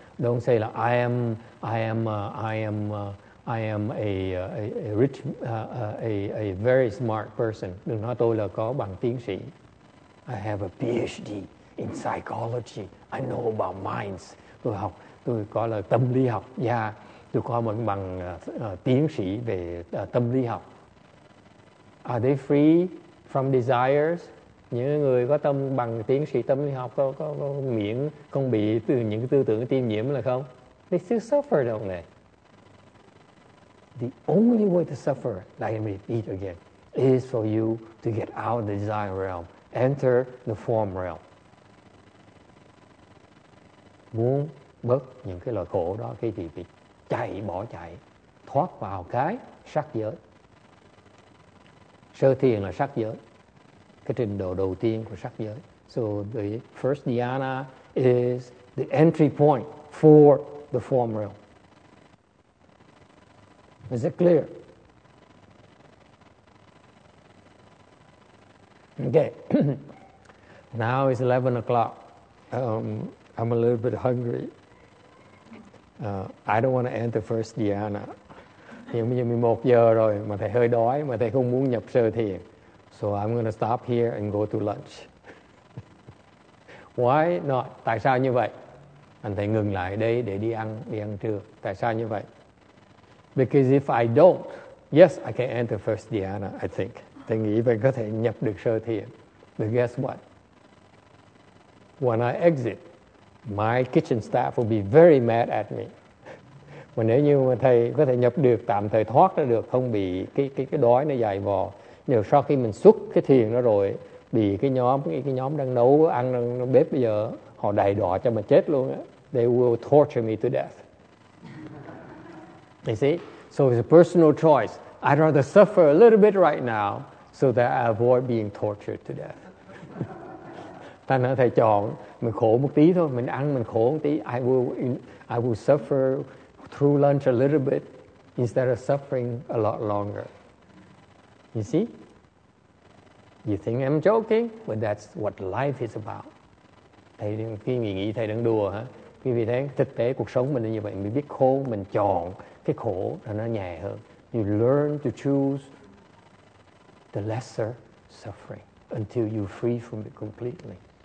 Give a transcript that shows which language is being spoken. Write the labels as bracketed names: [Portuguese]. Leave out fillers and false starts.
[English] Don't say [Vietnamese] là [English] I am a very smart person. [Vietnamese] Đừng nói tôi là có bằng tiến sĩ. [English] I have a PhD in psychology. I know about minds. [Vietnamese] Tôi có là tâm lý học. Yeah. Tôi có một bằng tiến sĩ về tâm lý học. [English] Are they free from desires? [Vietnamese] Những người có tâm bằng tiến sĩ tâm lý học có miễn không bị từ những cái tư tưởng tiêm nhiễm là không? [English] They still suffer, don't they? The only way to suffer, like I repeat again, is for you to get out of the desire realm, enter the form realm. [Vietnamese] Muốn bớt những cái loại khổ đó, cái gì thì chạy, bỏ chạy, thoát vào cái sắc giới. Sơ thiền là sắc giới, cái trình độ đầu tiên của sắc giới. [English] So the first dhyana is the entry point for the form realm. Is it clear? Okay. Now it's 11 o'clock. I'm a little bit hungry. I don't want to enter first dhyana. [Vietnamese] Hiện bây giờ 11 giờ rồi mà thầy hơi đói, mà thầy không muốn nhập sơ thiền. [English] So I'm going to stop here and go to lunch. Why not? [Vietnamese] Tại sao như vậy? Anh thầy ngừng lại đây để đi ăn trưa. Tại sao như vậy? [English] Because if I don't, yes, I can enter first dhyana, I think. [Vietnamese] Thầy nghĩ vậy có thể nhập được sơ thiền. [English] But guess what? When I exit, my kitchen staff will be very mad at me. [Vietnamese] Mà nếu như mà thầy có thể nhập được, tạm thời thoát ra được, không bị cái đói nó dài vò. Nếu sau khi mình xuất cái thiền đó rồi, bị cái nhóm đang nấu, ăn trong bếp bây giờ, họ đày đọa cho mình chết luôn á. [English] They will torture me to death. You see? So it's a personal choice. I'd rather suffer a little bit right now so that I avoid being tortured to death. [Vietnamese] Thầy chọn mình khổ một tí thôi, mình ăn mình khổ một tí. [English] I will suffer through lunch a little bit instead of suffering a lot longer. You see? You think I'm joking, but that's what life is about. [Vietnamese] Thầy khi mình nghĩ thầy đang đùa hả? Quý vị thấy thực tế cuộc sống mình là như vậy, mình biết khổ, mình chọn cái khổ là nó nhẹ hơn. [English] You learn to choose the lesser suffering until you're free from it completely.